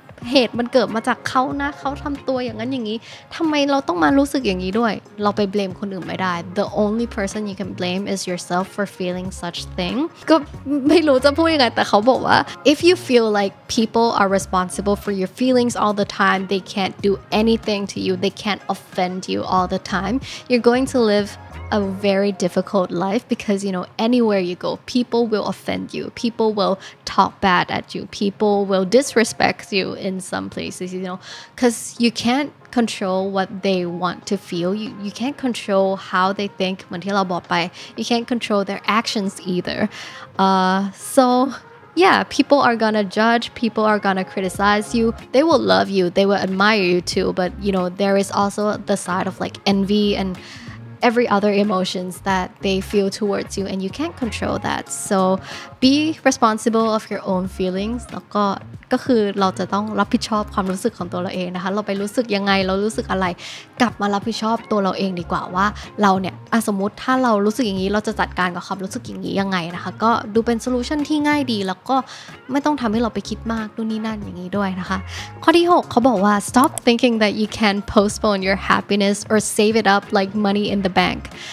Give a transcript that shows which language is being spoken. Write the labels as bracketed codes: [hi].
[th] เหตุมันเกิดมาจากเขานะเขาทำตัวอย่างนั้นอย่างนี้ทำไมเราต้องมารู้สึกอย่างนี้ด้วยเราไปเบลมคนอื่นไม่ได้ [en] the only person you can blame is yourself for feeling such thing [th] ก็ไม่รู้จะพูดยังไงแต่เขาบอกว่า [en] if you feel like people are responsible for your feelings all the time they can't do anything to you they can't offend you all the time you're going to liveA very difficult life because you know anywhere you go, people will offend you. People will talk bad at you. People will disrespect you in some places. You know, because you can't control what they want to feel. You can't control how they think. [th] เหมือนที่เราบอกไป [en] you can't control their actions either. So yeah, people are gonna judge. People are gonna criticize you. They will love you. They will admire you too. But you know, there is also the side of like envy and. Every other emotions that they feel towards you, and you can't control that. So, be responsible of your own feelings. [th] แล้วก็คือเราจะต้องรับผิดชอบความรู้สึกของตัวเราเองนะคะเราไปรู้สึกยังไงเรารู้สึกอะไรกลับมารับผิดชอบตัวเราเองดีกว่าว่าเราเนี่ยสมมติถ้าเรารู้สึกอย่างนี้เราจะจัดการกับความรู้สึกอย่างนี้ยังไงนะคะก็ดูเป็นโซลูชันที่ง่ายดีแล้วก็ไม่ต้องทำให้เราไปคิดมากนู่นนี่นั่นอย่างนี้ด้วยนะคะข้อที่6เขาบอกว่า [en] stop thinking that you can postpone your happiness or save it up like money in the bank